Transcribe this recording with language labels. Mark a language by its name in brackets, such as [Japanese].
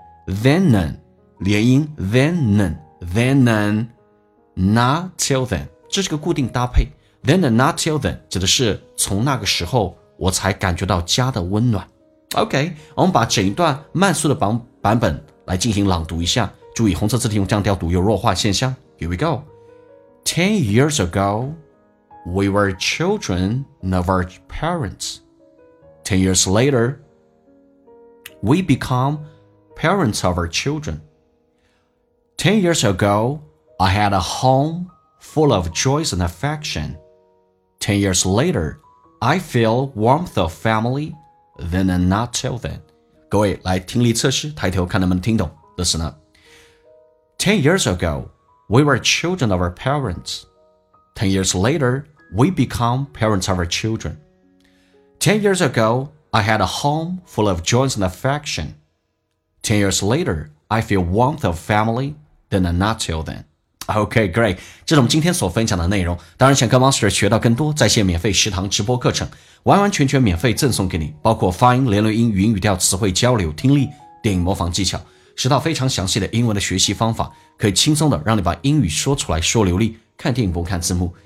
[English] Then none [Chinese] 连音 [English] then none then none not till then， [Chinese] 这是个固定搭配。 [English] Then none not till then [Chinese] 指的是从那个时候我才感觉到家的温暖。 OK， 我们把整一段慢速的版本来进行朗读一下。注意红色字体用降调读有弱化现象。 [English] Here we go. 10 years ago, we were children of our parents. 10 years later, we become parents of our children. 10 years ago, I had a home full of joys and affection. 10 years later, I feel warmth of family, then and not till then. [Chinese] 各位来听力测试，抬头看能不能听懂。 [English] Listen up. 10 years ago, we were children of our parents. 10 years later, we become parents of our children. 10 years ago, I had a home full of joys and affection. 10 years later, I feel warmth of family than not till then. OK, great. [Chinese] 这是我们今天所分享的内容。当然想跟 Monster 学到更多在线免费食堂直播课程，完完全全免费赠送给你，包括发音、连轮音、语音语调、词汇交流、听力、电影模仿技巧，十套非常详细的英文的学习方法，可以轻松的让你把英语说出来说流利，看电影不看字幕。